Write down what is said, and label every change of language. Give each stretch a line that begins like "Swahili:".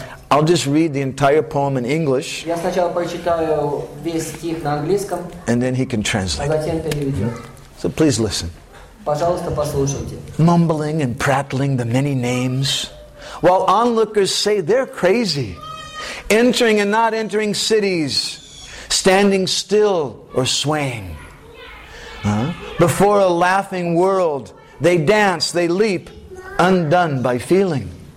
English: I'll just read the entire poem in English.
Russian: Я сначала прочитаю весь стих на английском.
English: And then he can translate.
Russian: А затем переведу.
English: So please listen.
Russian: Пожалуйста, послушайте.
English: Mumbling and prattling the many names, while onlookers say they're crazy, entering and not entering cities, standing still or swaying. Before a laughing world, they dance, they leap, undone by feeling.